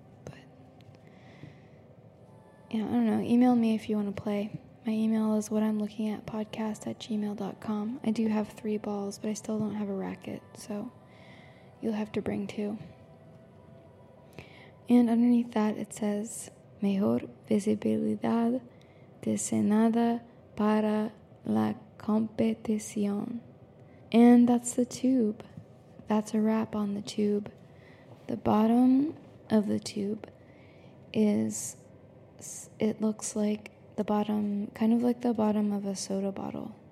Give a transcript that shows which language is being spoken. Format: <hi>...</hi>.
<en>But yeah, I don't know. Email me if you want to play. My email is whatimlookingatpodcast@gmail.com. I do have 3 balls, but I still don't have a racket, so you'll have to bring 2.</en> <es>And underneath that, it says, Mejor visibilidad diseñada para la competición.</es> <en>And that's the tube. That's a wrap on the tube. The bottom of the tube is, it looks like the bottom, kind of like the bottom of a soda bottle.</en>